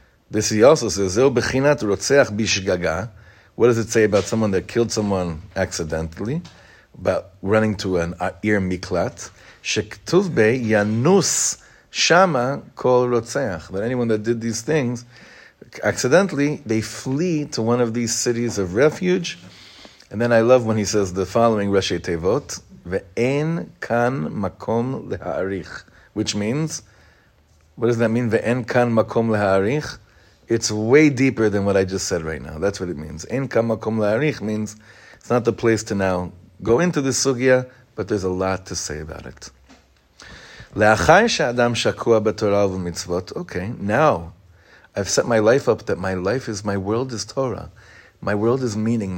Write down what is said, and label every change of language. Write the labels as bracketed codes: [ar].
[en] This he also says, [he] זהו בחינת רוצח בשגגה. [en] What does it say about someone that killed someone accidentally? About running to an ear miklat. [he] שכתוב בי ינוס שמה כל רוצח. [en] That anyone that did these things, accidentally, they flee to one of these cities of refuge. And then I love when he says the following, [he] ראשי תיבות, ואין כאן מקום להאריך. [en] Which means, what does that mean? [he] Ve'en kan makom leharich. [en] It's way deeper than what I just said right now. That's what it means. [he] En kan makom leharich [en] means it's not the place to now go into the sugya, but there's a lot to say about it. [he] Le'achai she'adam shakua b'torah v'mitzvot. [en] Okay, now I've set my life up that my life is, my world is Torah. My world is meaning.